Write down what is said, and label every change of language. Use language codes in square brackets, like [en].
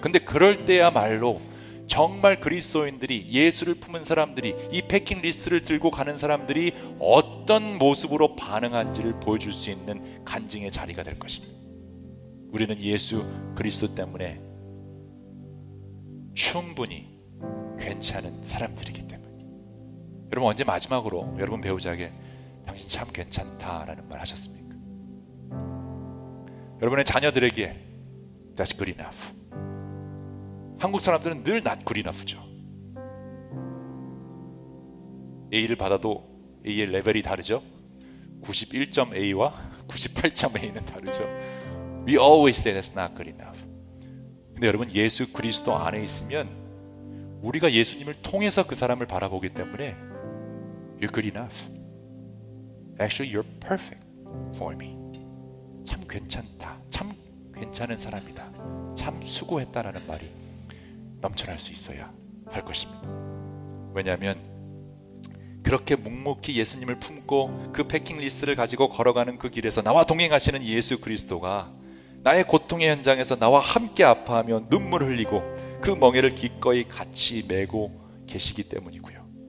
[ko] 근데 그럴 때야말로 정말 그리스도인들이, 예수를 품은 사람들이, 이 패킹 리스트를 들고 가는 사람들이 어떤 모습으로 반응한지를 보여줄 수 있는 간증의 자리가 될 것입니다. 우리는 예수 그리스도 때문에 충분히 괜찮은 사람들이기 때문에. 여러분, 언제 마지막으로 여러분 배우자에게 당신 참 괜찮다라는 말 하셨습니까? 여러분의 자녀들에게 [en] That's good enough. [ko] 한국 사람들은 늘 [en] not good enough [ko] 죠. A를 받아도 A의 레벨이 다르죠. 91점 A와 98점 A는 다르죠. [en] We always say that's not good enough. [ko] 근데 여러분, 예수 그리스도 안에 있으면 우리가 예수님을 통해서 그 사람을 바라보기 때문에 [en] You're good enough. Actually, you're perfect for me. [ko] 참 괜찮다. 참 괜찮은 사람이다. 참 수고했다라는 말이 넘쳐날 수 있어야 할 것입니다. 왜냐하면 그렇게 묵묵히 예수님을 품고 그 패킹 리스트를 가지고 걸어가는 그 길에서 나와 동행하시는 예수 그리스도가 나의 고통의 현장에서 나와 함께 아파하며 눈물 흘리고 그 멍에를 기꺼이 같이 메고 계시기 때문이고요.